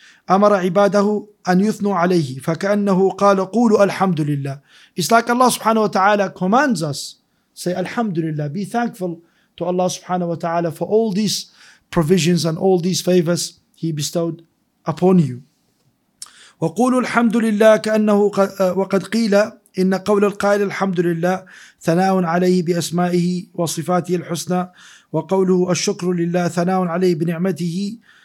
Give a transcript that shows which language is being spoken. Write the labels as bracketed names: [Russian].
[Arabic] أمر عباده أن يثنوا عليه فكأنه قال قولوا الحمد لله. [English] It's like Allah subhanahu wa ta'ala commands us, say Alhamdulillah, be thankful to Allah subhanahu wa ta'ala for all these provisions and all these favors he bestowed upon you. [Arabic] وقولوا الحمد لله كأنه وقد قيل إن قول القائل الحمد لله ثناء عليه بأسمائه وصفاته الحسنى وقوله الشكر لله ثناء عليه بنعمته